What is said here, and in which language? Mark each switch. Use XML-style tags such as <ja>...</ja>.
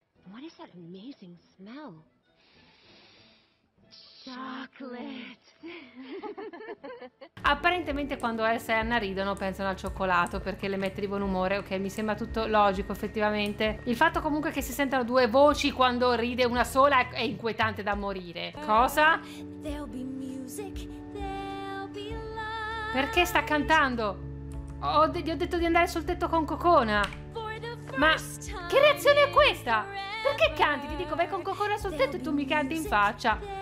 <en>What is that amazing smell? Chocolate.</en> <it>Apparentemente quando Elsa e Anna ridono pensano al cioccolato perché le mette di buon umore, ok, mi sembra tutto logico effettivamente. Il fatto comunque che si sentano due voci quando ride una sola è inquietante da morire. Cosa?</it> <en>There'll be music, there'll be light.</en> <it>Perché sta cantando? Gli ho detto di andare sul tetto con Cocona. Ma che reazione è questa? Perché canti? Ti dico vai con Cocona sul tetto e tu mi canti in faccia.</it>